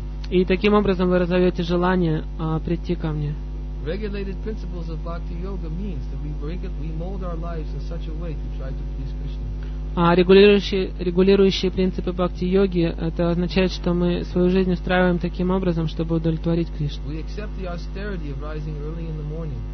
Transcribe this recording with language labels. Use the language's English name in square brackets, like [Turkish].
[Russian] И таким образом вы разовьете желание прийти ко мне. [English] Regulated principles of bhakti yoga means that we mold our lives in such a way to try to please Krishna. [Russian] Регулирующие принципы бхакти йоги это означает, что мы свою жизнь устраиваем таким образом, чтобы удовлетворить Кришну. [English] We accept the austerity of rising early in the morning.